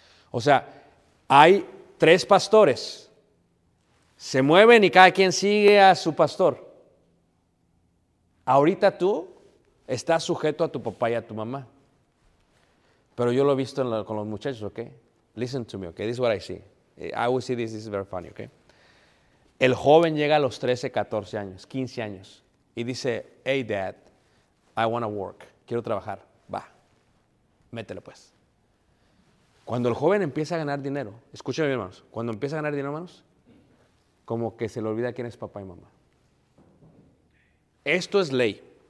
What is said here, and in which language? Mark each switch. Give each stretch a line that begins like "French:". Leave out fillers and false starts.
Spanish: O sea, hay 3 pastores. Se mueven y cada quien sigue a su pastor. Ahorita tú estás sujeto a tu papá y a tu mamá. Pero yo lo he visto con los muchachos, ¿ok?
English: Listen to me, ¿ok? This is what I see. I always see this is very funny, ¿ok?
Spanish: El joven llega a los 13, 14 años, 15 años, y dice,
English: hey, dad, I want to work.
Spanish: Quiero trabajar. Va, métele, pues. Cuando el joven empieza a ganar dinero, escúchame bien, hermanos, cuando empieza a ganar dinero, hermanos, como que se le olvida quién es papá y mamá. Esto es ley.